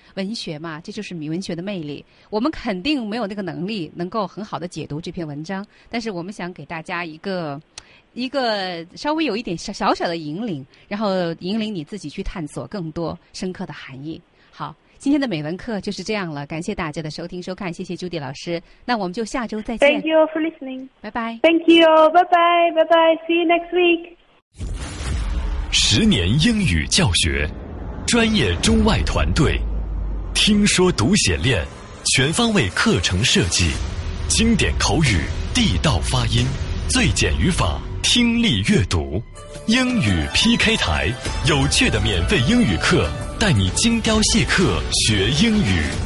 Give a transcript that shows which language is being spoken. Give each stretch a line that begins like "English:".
Chinese: 文学嘛，这就是文学的魅力。我们肯定没有那个能力能够很好的解读这篇文章，但是我们想给大家一个稍微有一点小小的引领，然后引领你自己去探索更多深刻的含义。好，今天的美文课就是这样了，感谢大家的收听收看，谢谢 Judy 老师，那我们就下周再见。
English: Thank you all for listening.
Chinese: 拜拜。
English: Thank you, bye bye, bye bye, see you next week.
Chinese: 十年英语教学，专业中外团队，听说读写练，全方位课程设计，经典口语，地道发音，最简语法，听力阅读，英语 PK 台，有趣的免费英语课，带你精雕细刻学英语。